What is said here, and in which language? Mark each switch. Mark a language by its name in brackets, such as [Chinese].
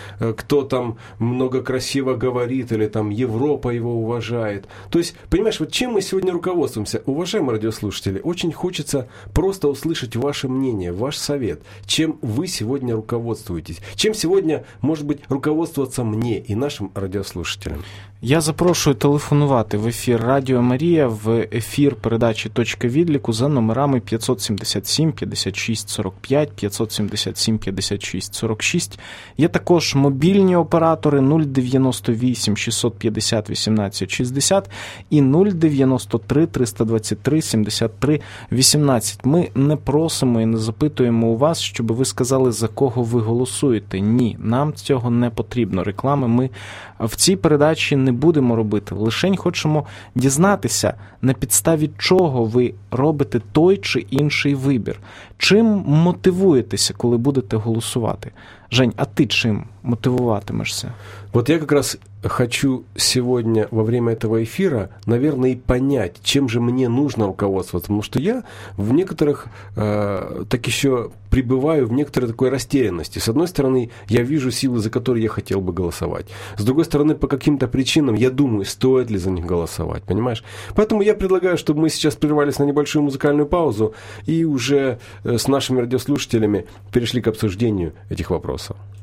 [Russian] Кто там много красиво говорит, или там Европа его уважает. То есть, понимаешь, вот чем мы сегодня руководствуемся? Уважаемые радиослушатели, очень хочется просто услышать ваше мнение, ваш совет. Чем вы сегодня руководствуетесь? Чем сегодня, может быть, руководствоваться мне и нам? [Ukrainian] Нашим радіослушателям. Я запрошую телефонувати в ефір Радіо Марія, в ефір передачі «Точка відліку» за номерами 577-56-45, 577-56-46. Є також мобільні оператори 098-650-18-60 і 093-323-73-18. Ми не просимо і не запитуємо у вас, щоб ви сказали, за кого ви голосуєте. Ні, нам цього не потрібно. Реклами ми в цій передачі не будемо робити. Лишень хочемо дізнатися, на підставі чого ви робите той чи інший вибір. Чим мотивуєтеся, коли будете голосувати? Жень, а ти чим мотивуватимешся? От я якраз хочу сьогодні, [Russian] во время [Ukrainian] цього ефіру, [Russian] наверное, [Ukrainian] і понять, чим же мені [Russian] нужно руководствоваться. [Ukrainian] Тому що [Russian] я в некоторых так ще прибываю в некоторой такой растерянности. С одной стороны, я вижу силы, за которые я хотел бы голосовать. С другой стороны, по каким-то причинам я думаю, стоит ли за них голосовать, понимаешь? Поэтому я предлагаю, чтобы мы сейчас прервались на небольшую музыкальную паузу и уже с нашими радиослушателями перешли к обсуждению этих вопросов.